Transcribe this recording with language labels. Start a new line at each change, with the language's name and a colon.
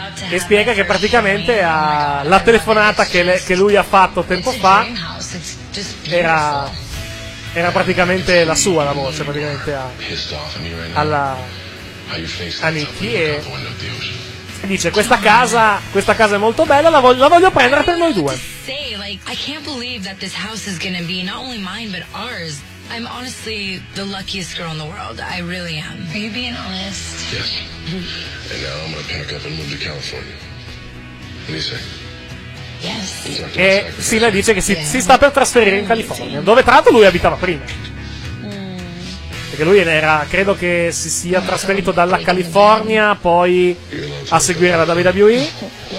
Italian: E spiega che praticamente ha la telefonata che lui ha fatto tempo fa. Era praticamente la sua, la voce, praticamente a Nikki, e dice: questa casa è molto bella, la voglio prendere per noi due.
English: I can't believe that this house is gonna be not only mine but ours. I'm honestly the luckiest girl in the world. I really am. Are you being honest? Yes. And now I'm gonna pack up and move to California. Lisa.
Italian: E Cena dice che si sta per trasferire in California, dove tra l'altro lui abitava prima. Perché lui era, credo che si sia trasferito dalla California poi a seguire la WWE.